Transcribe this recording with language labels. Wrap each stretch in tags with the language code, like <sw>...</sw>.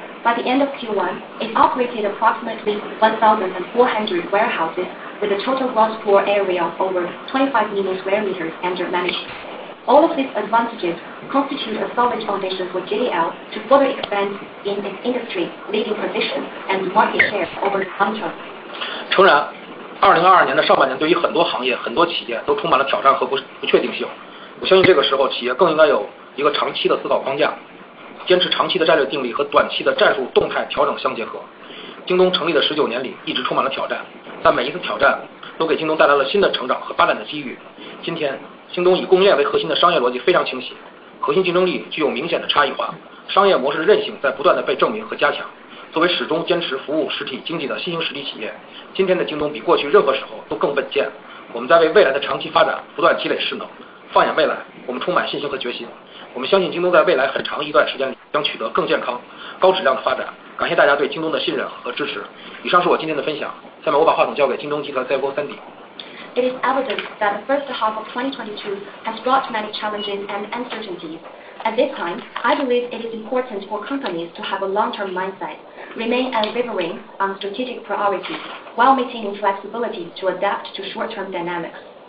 <en>By the end of Q1, it operated approximately 1,400 warehouses with a total gross floor area of over 25 million square meters under management. All of these advantages constitute a solid foundation for JDL to further expand in its industry leading position and market share over the long term.</en> <zh>诚然，2022年的上半年对于很多行业、很多企业都充满了挑战和不确定性。我相信这个时候企业更应该有一个长期的思考框架，坚持长期的战略定力和短期的战术动态调整相结合。京东成立的19年里一直充满了挑战，但每一次挑战都给京东带来了新的成长和发展的机遇。今天京东以供应链为核心的商业逻辑非常清晰，核心竞争力具有明显的差异化，商业模式的韧性在不断的被证明和加强。作为始终坚持服务实体经济的新兴实体企业，今天的京东比过去任何时候都更稳健。我们在为未来的长期发展不断积累势能，放眼未来，我们充满信心和决心。我们相信京东在未来很长一段时间里将取得更健康、高质量的发展。感谢大家对京东的信任和支持。以上是我今天的分享，下面我把话筒交给京东集团 CFO Sandy。</zh> <en>It is evident that the first half of 2022 has brought many challenges and uncertainties. At this time, I believe it is important for companies to have a long-term mindset, remain unwavering on strategic priorities, while maintaining flexibility to adapt to short-term dynamics.</en>